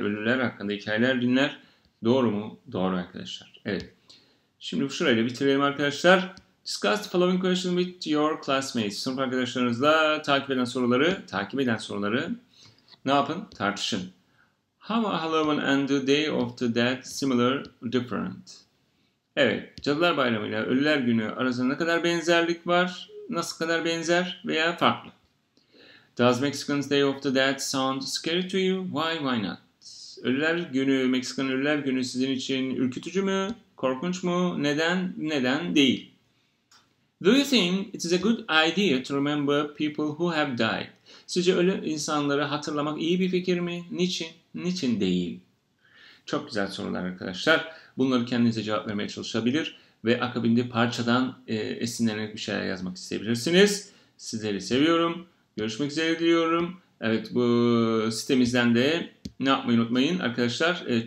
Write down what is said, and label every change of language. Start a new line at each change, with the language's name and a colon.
Turkish: Ölüler hakkında hikayeler dinler. Doğru mu? Doğru arkadaşlar. Evet. Şimdi şurayla bitirelim arkadaşlar.
English: Discuss the following question with your classmates.
Turkish: Sınıf arkadaşlarınızla takip eden soruları ne yapın? Tartışın.
English: How are Halloween and the Day of the Dead similar or different?
Turkish: Evet, Cadılar Bayramı ile Ölüler Günü arasında ne kadar benzerlik var? Nasıl kadar benzer veya farklı?
English: Does Mexican's Day of the Dead sound scary to you? Why not?
Turkish: Ölüler Günü, Meksikan Ölüler Günü sizin için ürkütücü mü? Korkunç mu? Neden değil?
English: Do you think it is a good idea to remember people who have died?
Turkish: Sizce ölü insanları hatırlamak iyi bir fikir mi? Niçin? Niçin değil? Çok güzel sorular arkadaşlar. Bunları kendinize cevap vermeye çalışabilir ve akabinde parçadan esinlenerek bir şeyler yazmak isteyebilirsiniz. Sizleri seviyorum. Görüşmek üzere diliyorum. Evet, bu sitemizden de ne yapmayı unutmayın arkadaşlar.